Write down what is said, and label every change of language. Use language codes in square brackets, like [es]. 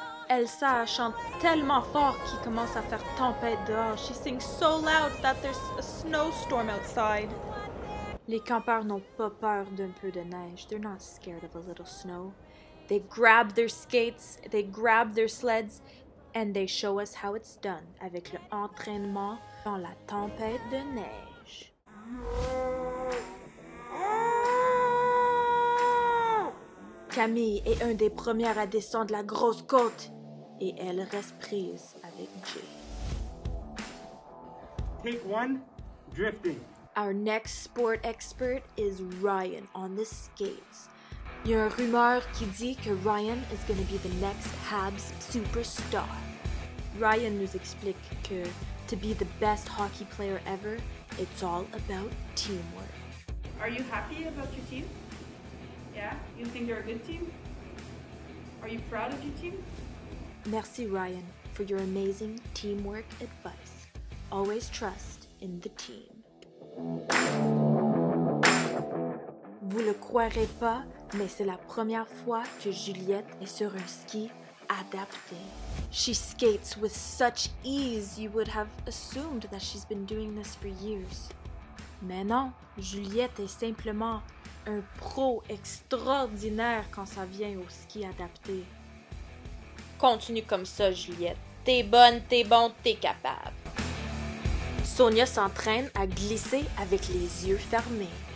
[fr] Elsa chante tellement fort qu'il commence à faire tempête dehors. [en] She sings so loud that there's a snowstorm outside. [fr] Les campeurs n'ont pas peur d'un peu de neige. [en] They're not scared of a little snow. They grab their skates, they grab their sleds, and they show us how it's done [fr] avec le entraînement dans la tempête de neige. Camille est un des premières à descendre la grosse côte et elle reste prise avec Jay. [en] Take one, drifting. Our next sport expert is Ryan on the skates. [fr] Il y a une rumeur qui dit que [en] Ryan is going to be the next Habs superstar. Ryan [fr] nous explique que [en] to be the best hockey player ever, it's all about teamwork. Are you happy about your team? Yeah, you think you're a good team? Are you proud of your team? [fr] Merci [en] Ryan for your amazing teamwork advice. Always trust in the team. [fr] Vous le croirez pas, mais c'est la première fois que Juliette est sur un ski adapté. [en] She skates with such ease, you would have assumed that she's been doing this for years. [fr] Mais non, Juliette est simplement un pro extraordinaire quand ça vient au ski adapté. Continue comme ça, Juliette. T'es bonne, t'es bon, t'es capable. Sonia s'entraîne à glisser avec les yeux fermés.